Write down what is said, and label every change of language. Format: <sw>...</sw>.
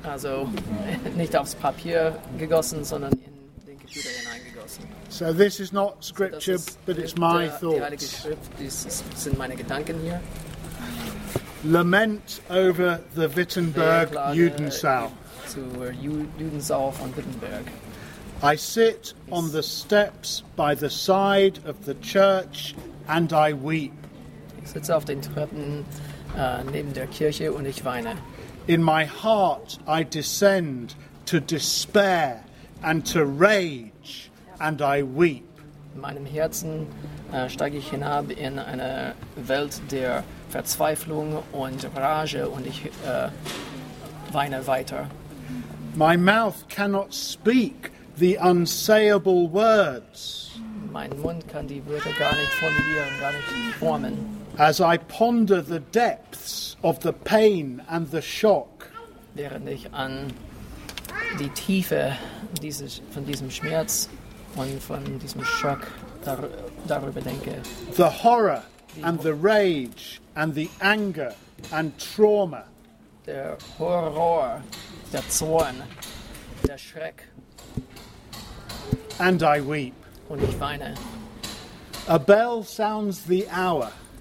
<de>Also nicht aufs Papier gegossen, sondern in den Computer hineingegossen.</de> <en>So this is not scripture, but it's my thoughts.</en> <de>Die Heilige Schrift, dies sind meine Gedanken hier.</de> <en>Lament over the Wittenberg Judensau.</en> <de>Zu Judensau von Wittenberg.</de> <en>I sit on the steps by the side of the church and I weep.</en> <de>Ich sitze auf den Treppen neben der Kirche und ich weine.</de> <en>In my heart I descend to despair and to rage and I weep.</en> <de>In meinem Herzen steige ich hinab in eine Welt der Verzweiflung und Rage und ich weine weiter.</de> <en>My mouth cannot speak the unsayable words.</en> <de>Mein Mund kann die Wörter gar nicht formulieren, gar nicht formen.</de> <en>As I ponder the depths of the pain and the shock,</en> <de>während ich an die Tiefe dieses von diesem Schmerz und von diesem Schock darüber denke,</de> <en>the horror and the rage and the anger and trauma,</en> <de>der Horror, der Zorn, der Schreck,</de> <en>and I weep,</en> <de>und ich weine.</de> <en>A bell sounds the hour.</en>